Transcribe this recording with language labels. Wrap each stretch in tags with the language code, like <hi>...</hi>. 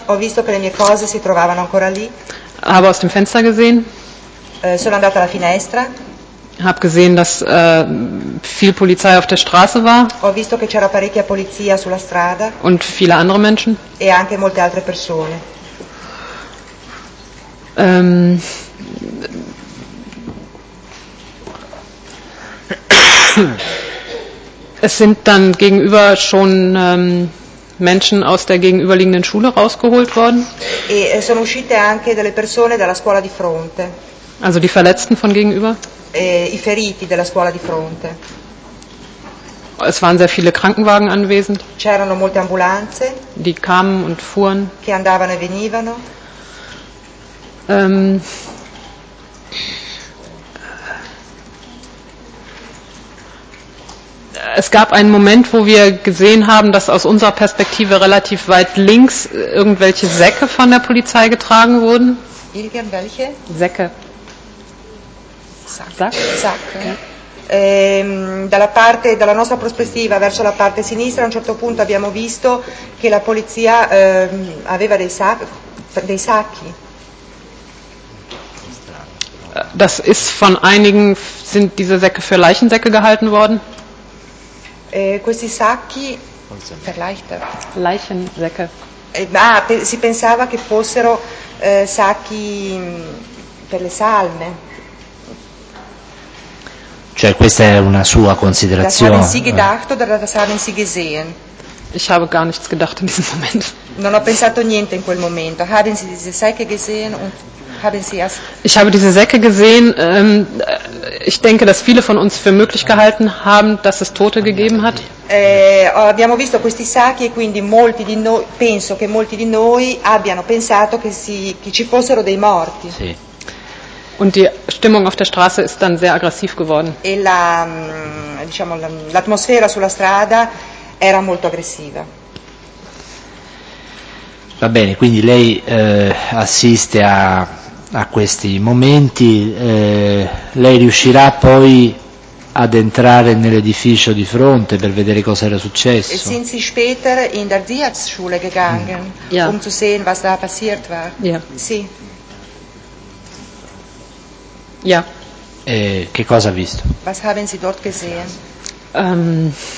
<it>Ho visto che le mie cose si trovavano ancora lì.</it> <de>Habe aus dem Fenster gesehen.</de> <it>Sono andata alla finestra.</it> <de>Habe gesehen, dass viel Polizei auf der Straße war.</de> <it>Ho visto che c'era parecchia polizia sulla strada.</it> <de>Und viele andere Menschen.</de> <it>E anche molte altre persone.</it> <de>Es sind dann gegenüber schon Menschen aus der gegenüberliegenden Schule rausgeholt worden.</de> <it>E sono uscite anche delle persone dalla scuola di fronte.</it> <de>Also die Verletzten von gegenüber?</de> <it>E i feriti della scuola di fronte.</it> <de>Es waren sehr viele Krankenwagen anwesend.</de> <it>C'erano molte ambulanze.</it> <de>Die kamen und fuhren.</de> <it>Che andavano e venivano.</it> <de>Es gab einen Moment, wo wir gesehen haben, dass aus unserer Perspektive relativ weit links irgendwelche Säcke von der Polizei getragen wurden. Irgendwelche? Säcke. Sack. Sack. Okay.</de> <it>Dalla parte, dalla nostra prospettiva verso la parte sinistra, a un certo punto abbiamo visto che la polizia aveva dei sacchi.</it> <de>Das ist von einigen, sind diese Säcke für Leichensäcke gehalten worden?</de> <it>Questi sacchi per</it> <de>Leichensäcke.</de> <it>Si pensava che fossero sacchi per le salme. Cioè questa è una sua considerazione.</it> <de>Das haben Sie gedacht oder das haben Sie gesehen? Ich habe gar nichts gedacht in diesem Moment.</de> <it>Non ho pensato niente in quel momento.</it> <de>Haben Sie diese Säcke gesehen und haben Sie erst... Ich habe diese Säcke gesehen. Ich denke, dass viele von uns für möglich gehalten haben, dass es Tote gegeben hat.</de> <it>Abbiamo visto questi sacchi e quindi molti di noi, penso che molti di noi abbiano pensato che ci fossero dei morti. Sì.</it> <de>Und die Stimmung auf der Straße ist dann sehr aggressiv geworden.</de> <it>E la, diciamo, l'atmosfera sulla strada era molto aggressiva. Va bene, quindi lei assiste a questi momenti, lei riuscirà poi ad entrare nell'edificio di fronte per vedere cosa era successo.</it> <de>Sind Sie später in der Diaz-Schule gegangen, um zu sehen, was da passiert war? Ja.</de> <it>Sì.</it> <de>Ja.</de> <it>Che cosa ha visto?</it> <de>Was haben Sie dort gesehen?</de>